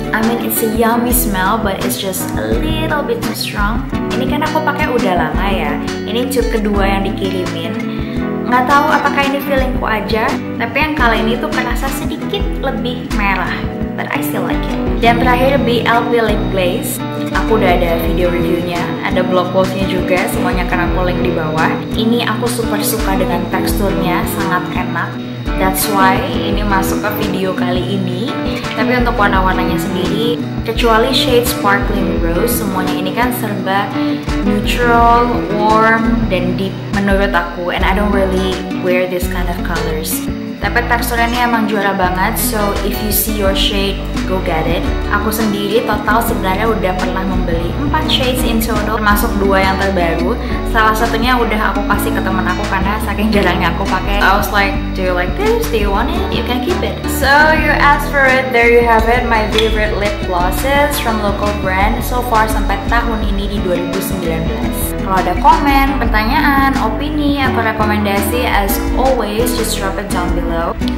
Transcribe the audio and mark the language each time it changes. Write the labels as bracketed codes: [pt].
[en] I mean it's a yummy smell, but it's just a little bit too strong. [id] Ini kan aku pakai udah lama ya. Ini tube kedua yang dikirimin. Nggak tahu apakah ini feelingku aja, tapi yang kali ini tuh kerasa sedikit lebih merah, [en] but I still like it. [id] Dan terakhir BLP Lip Glaze, aku udah ada video reviewnya, ada blog postnya juga, semuanya akan aku link di bawah. Ini aku super suka dengan teksturnya, sangat enak. [en] That's why [id] ini masuk ke video kali ini. Tapi untuk warna-warnanya sendiri, kecuali shade sparkling rose, semuanya ini kan serba neutral, warm, dan deep menurut aku. [en] And I don't really wear this kind of colors. [id] Tapi teksturnya ini emang juara banget, [en] so if you see your shade, go get it. [id] Aku sendiri total sebenarnya udah pernah membeli 4 shades [en] in total, [id] termasuk 2 yang terbaru. Salah satunya udah aku kasih ke teman aku karena saking jarangnya aku pakai. [en] I was like, do you like this? Do you want it? You can keep it. So you asked for it, there you have it. My favorite lip glosses from local brand so far [id] sampai tahun ini di [en] 2019. [id] Kalau ada komen, pertanyaan, opini, atau rekomendasi, [en] as always, just drop it down below.